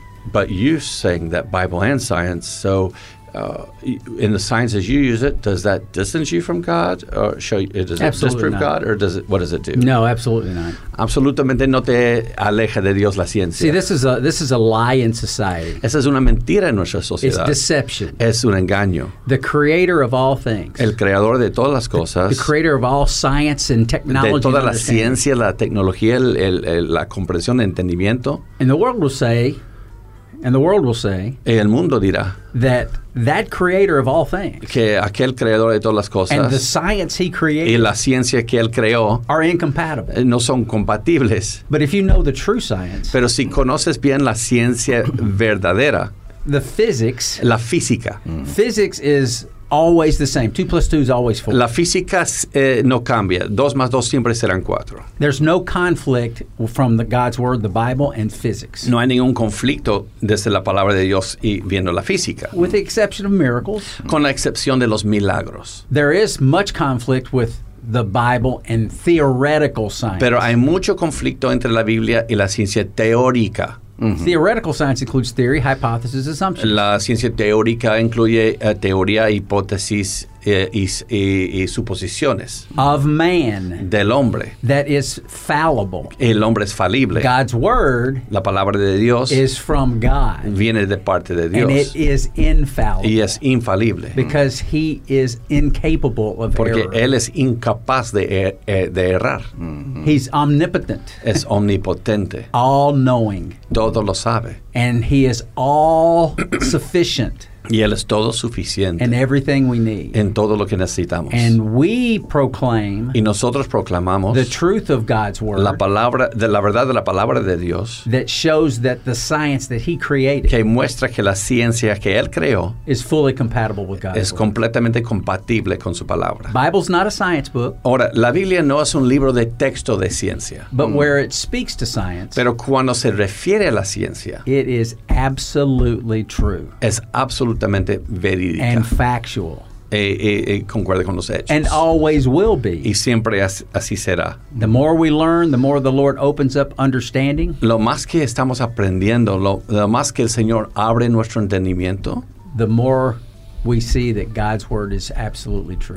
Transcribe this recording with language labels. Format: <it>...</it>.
<en>But you're saying that Bible and science, so in the sciences you use it, does that distance you from God? Or does absolutely it disprove not. God? Or does it, what does it do? No, absolutely not.</en> <es>Absolutamente no te aleja de Dios la ciencia.</es> <en>See, this is a lie in society.</en> <es>Esa es una mentira en nuestra sociedad.</es> <en>It's deception.</en> <es>Es un engaño.</es> <en>The creator of all things.</en> <es>El creador de todas las cosas.</es> <en>The creator of all science and technology.</en> <es>De toda la ciencia, la tecnología, la comprensión, el entendimiento.</es> <en>And the world will say.</en> <es>Y el mundo dirá.</es> <en>That creator of all things.</en> <es>Que aquel creador de todas las cosas.</es> <en>And the science he created.</en> <es>Y la ciencia que él creó.</es> <en>Are incompatible.</en> <es>No son compatibles.</es> <en>But if you know the true science.</en> <es>Pero si conoces bien la ciencia verdadera.</es> <en>The physics.</en> <es>La física.</es> <en>Physics is always the same. 2 + 2 is always 4.</en> <es>La física no cambia. 2 + 2 siempre serán 4.</es> <en>There's no conflict from the God's word, the Bible, and physics.</en> <es>No hay ningún conflicto desde la palabra de Dios y viendo la física.</es> <en>With the exception of miracles.</en> <es>Con la excepción de los milagros.</es> <en>There is much conflict with the Bible and theoretical science.</en> <es>Pero hay mucho conflicto entre la Biblia y la ciencia teórica.</es> <en>Mm-hmm. Theoretical science includes theory, hypothesis, assumptions.</en> <es>La ciencia teórica incluye teoría, hipótesis, y suposiciones</es> <en>of man,</en> <es>del hombre,</es> <en>that is fallible.</en> <es>El hombre es falible.</es> <en>God's word,</en> <es>la palabra de Dios,</es> <en>is from God,</en> <es>viene de parte de Dios,</es> <en>and it is infallible,</en> <es>y es infalible,</es> <en>because he is incapable of</en> <es>porque</es> <en>error,</en> <es>porque él es incapaz de errar.</es> <en>He's omnipotent,</en> <es>es omnipotente,</es> <en>all knowing,</en> <es>todo lo sabe,</es> <en>and he is all sufficient.</en> <es>Y él es todo suficiente.</es> <en>And everything we need.</en> <es>En todo lo que necesitamos.</es> <en>And we proclaim.</en> <es>Y nosotros proclamamos.</es> <en>The truth of God's word.</en> <es>La palabra, de la verdad de la palabra de Dios.</es> <en>That shows that the science that he created.</en> <es>Que muestra que la ciencia que él creó.</es> <en>Is fully compatible with God's</en> <es>word. Es completamente compatible con su palabra.</es> <en>Bible's not a science book.</en> <es>Ahora, la Biblia no es un libro de texto de ciencia.</es> <en>But where it speaks to science.</en> <es>Pero cuando se refiere a la ciencia.</es> <en>It is absolutely true.</en> <es>Es absolutamente absolutamente verídica.</es> <en>And factual.</en> <es>Concuerda con los hechos.</es> <en>And always will be.</en> <es>Y siempre así será.</es> <en>The more we learn, the more the Lord opens up understanding.</en> <es>Lo más que estamos aprendiendo, lo más que el Señor abre nuestro entendimiento,</es> <en>the more we see that God's word is absolutely true.</en>